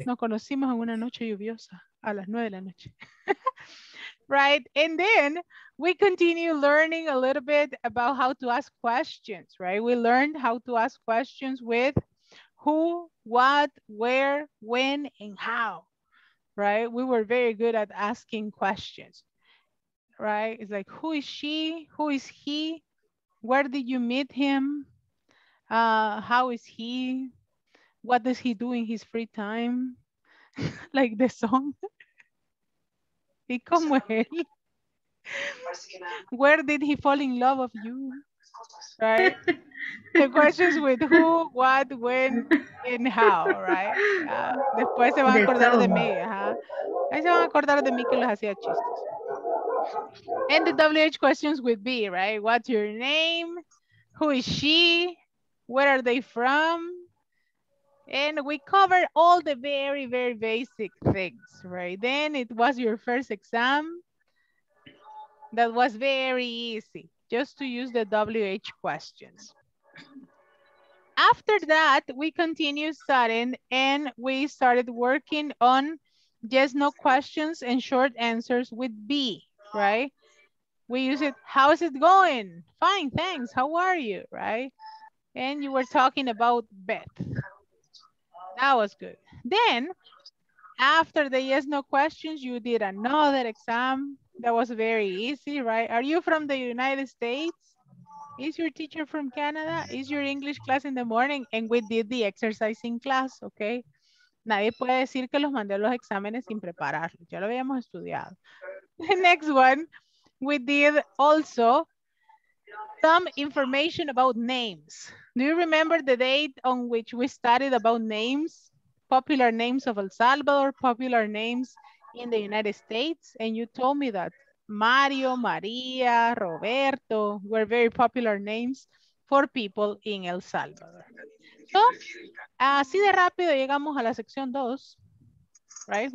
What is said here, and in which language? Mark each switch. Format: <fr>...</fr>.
<es>Nos conocimos en una noche lluviosa, a las 9 de la noche.</es> <en>Right, and then we continue learning a little bit about how to ask questions, right? We learned how to ask questions with who, what, where, when, and how, right? We were very good at asking questions, right? It's like, who is she? Who is he? Where did you meet him? How is he? What does he do in his free time? Like the song.</en> <es>¿Y cómo es él?</es> <en>Where did he fall in love of you? Right? The questions with who, what, when, and how, right?</en> <es>Después se van a acordar de mí. Ahí se van a acordar de mí que los hacía chistes.</es> <en>And the WH questions with B, right? What's your name? Who is she? Where are they from? And we covered all the very, very basic things, right? Then it was your first exam. That was very easy, just to use the WH questions. After that, we continued studying and we started working on yes, no questions and short answers with B, right? We use it, how's it going? Fine, thanks, how are you, right? And you were talking about Beth. That was good. Then, after the yes, no questions, you did another exam. That was very easy, right? Are you from the United States? Is your teacher from Canada? Is your English class in the morning? And we did the exercise in class, okay?</en> <es>Nadie puede decir que los mandé a los exámenes sin prepararlos. Ya lo habíamos estudiado.</es> <en>The next one, we did also some information about names. Do you remember the date on which we studied about names? Popular names of El Salvador, popular names in the United States. And you told me that Mario, Maria, Roberto were very popular names for people in El Salvador.</en> <es>So, así de rápido llegamos a la sección 2, right?</es>